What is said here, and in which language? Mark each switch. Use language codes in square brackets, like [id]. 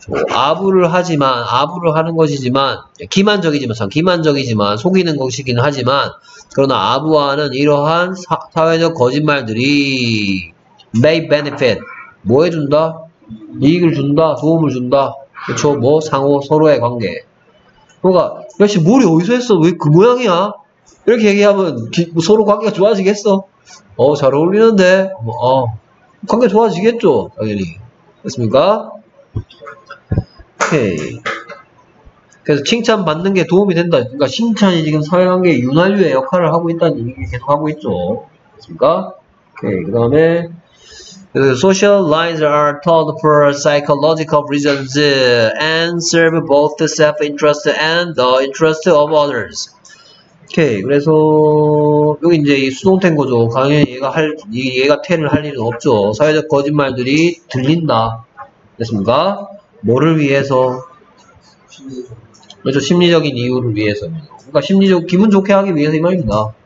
[ko] 아부를 하지만 아부를 하는 것이지만 기만적이지만 참 기만적이지만 속이는 것이긴 하지만 그러나 아부하는 이러한 사회적 거짓말들이 [en] may benefit [ko] 뭐 해준다 이익을 준다 도움을 준다 그쵸 뭐 상호 서로의 관계 그러니까 역시 머리 어디서 했어 왜그 모양이야 이렇게 얘기하면 서로 관계가 좋아지겠어 잘 어울리는데 관계 좋아지겠죠 당연히 됐습니까? 오케이. 그래서 칭찬받는 게 도움이 된다. 그러니까 칭찬이 지금 사회관계의 윤활유의 역할을 하고 있다는 얘기를 계속 하고 있죠. 그렇습니까? 오케이. 그 다음에, [en] social lies are told for psychological reasons and serve both the self-interest and the interest of others. [ko] 오케이. 그래서, 여기 이제 수동태인 거죠. 당연히 얘가 텔을 할 일은 없죠. 사회적 거짓말들이 들린다. 됐습니까? 뭐를 위해서? 그렇죠. 심리적인 이유를 위해서. 그러니까 심리적, 기분 좋게 하기 위해서 이 말입니다.